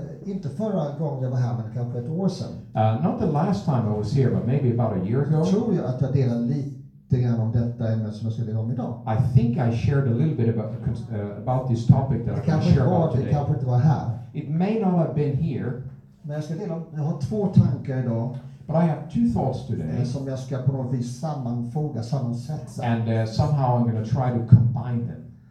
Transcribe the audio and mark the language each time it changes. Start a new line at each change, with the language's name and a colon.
Swedish: Inte förra gången jag var här, men kanske ett år sedan.
English: Not the last time I was here, but maybe about a year ago.
Swedish: Tror jag att jag delade lite grann om detta ämne som jag ska dela om idag.
English: I think I shared a little bit about this topic that I can share about today.
Swedish: Det kanske inte var här.
English: It may not have been here.
Swedish: Men jag ska dela om, jag har två tankar idag.
English: But I have two thoughts today.
Swedish: Som jag ska på något vis sammansätta.
English: And somehow I'm going to try to combine them.